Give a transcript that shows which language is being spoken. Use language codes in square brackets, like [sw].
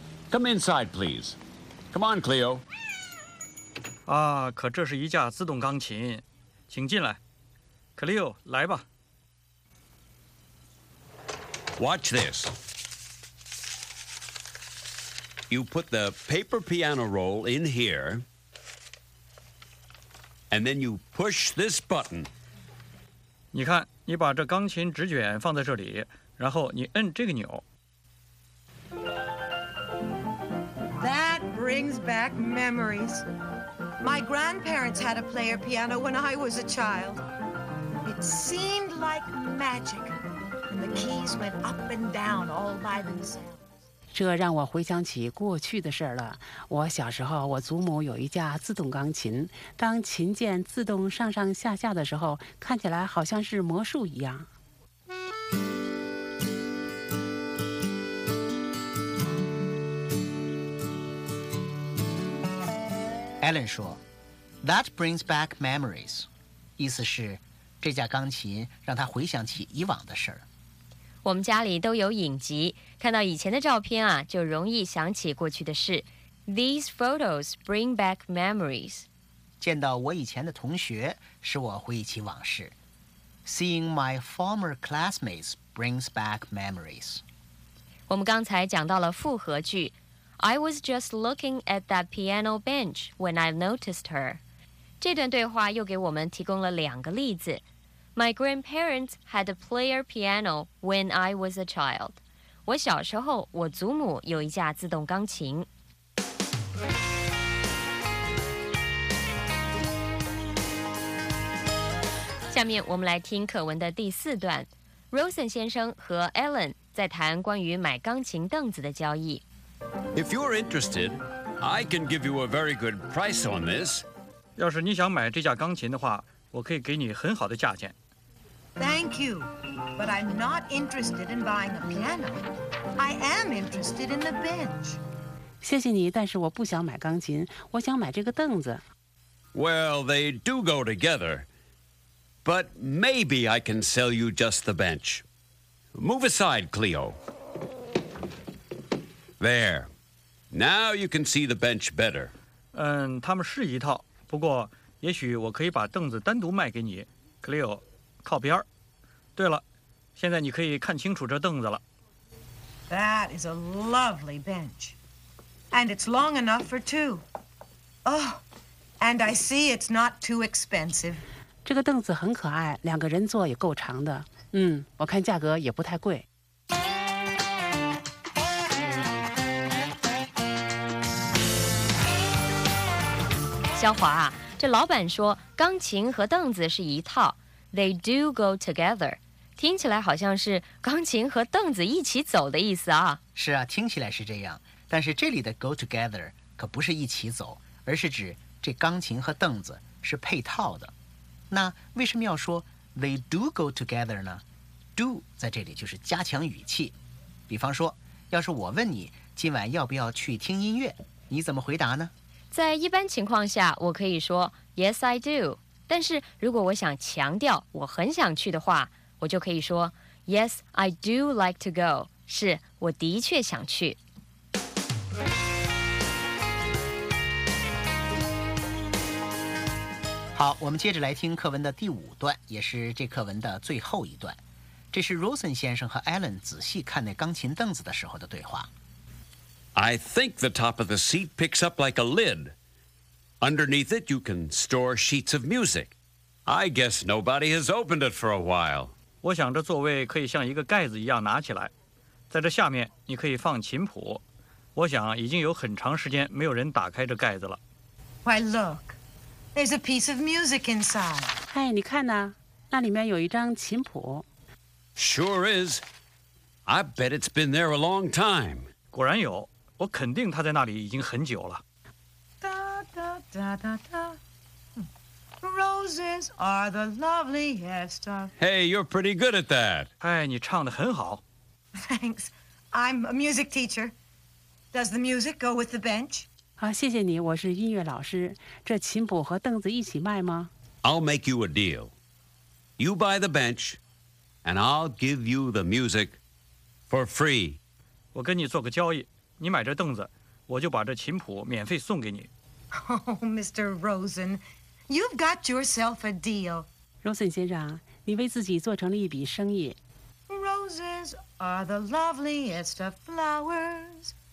[en] Come inside, please. Come on, Cleo. [zh] 啊，可这是一架自动钢琴，请进来。 Cleo, 来吧。 [en] Watch this. You put the paper piano roll in here, and then you push this button. [zh] 你看，你把这钢琴纸卷放在这里，然后你摁这个钮。 [en] That brings back memories. My grandparents had a player piano when I was a child. It seemed like magic. And the keys went up and down all by themselves. [zh] 这让我回想起过去的事了。我小时候，我祖母有一架自动钢琴，当琴键自动上上下下的时候，看起来好像是魔术一样。 [en] Alan [zh] 说 [en] That brings back memories. [zh] 意思是这架钢琴让他回想起以往的事。我们家里都有影集，看到以前的照片啊，就容易想起过去的事。 [en] These photos bring back memories. [zh] 见到我以前的同学，使我回忆起往事。 [en] Seeing my former classmates brings back memories. [zh] 我们刚才讲到了复合句。 [en] I was just looking at that piano bench when I noticed her. [zh] 这段对话又给我们提供了两个例子。 [en] My grandparents had a player piano when I was a child. [zh] 我小时候，我祖母有一架自动钢琴。下面我们来听课文的第四段。Rosen 先生和 Alan 在谈关于买钢琴凳子的交易。 [en] If you're interested, I can give you a very good price on this. [zh] 要是你想买这架钢琴的话，我可以给你很好的价钱。 [en] Thank you, but I'm not interested in buying a piano. I am interested in the bench. [zh] 谢谢你，但是我不想买钢琴，我想买这个凳子。 [en] Well, they do go together, but maybe I can sell you just the bench. Move aside, Cleo. There. Now you can see the bench better. [zh] 嗯，他们是一套，不过也许我可以把凳子单独卖给你。 Cleo， 靠边。对了，现在你可以看清楚这凳子了。 [en] That is a lovely bench. And it's long enough for two. Oh, and I see it's not too expensive. [zh] 这个凳子很可爱，两个人坐也够长的。嗯，我看价格也不太贵。肖华啊，这老板说钢琴和凳子是一套， [en] They do go together， [zh] 听起来好像是钢琴和凳子一起走的意思啊。是啊，听起来是这样，但是这里的 [en] go together [zh] 可不是一起走，而是指这钢琴和凳子是配套的。那为什么要说 [en] They do go together [zh] 呢？ Do 在这里就是加强语气。比方说，要是我问你今晚要不要去听音乐，你怎么回答呢？在一般情况下我可以说 [en] Yes, I do， [zh] 但是如果我想强调我很想去的话，我就可以说 [en] Yes, I do like to go， [zh] 是我的确想去。好，我们接着来听课文的第五段，也是这课文的最后一段。这是 Rosen 先生和 Alan 仔细看那钢琴凳子的时候的对话。 [en] I think the top of the seat picks up like a lid. Underneath it, you can store sheets of music. I guess nobody has opened it for a while. [zh] 我想这座位可以像一个盖子一样拿起来，在这下面你可以放琴谱。我想已经有很长时间没有人打开这盖子了。 [en] Why look? There's a piece of music inside. [zh] 哎，你看呐，那里面有一张琴谱。 [en] Sure is. I bet it's been there a long time. [zh] 果然有，我肯定他在那里已经很久了。 [en] 哒哒哒哒哒 ，Roses are the loveliest of. Hey, you're pretty good at that. [zh] 哎，你唱得很好。 [en] Thanks, I'm a music teacher. Does the music go with the bench? [zh] 好，谢谢你，我是音乐老师。这琴谱和凳子一起卖吗 [en] ？I'll make you a deal. You buy the bench, and I'll give you the music for free. [zh] 我跟你做个交易，你买这凳子，我就把这琴谱免费送给你。 [en] Oh, Mr. Rosen, you've got yourself a deal. [zh] Rosen 先生，你为自己做成了一笔生意。 [en] Roses are the loveliest of flowers.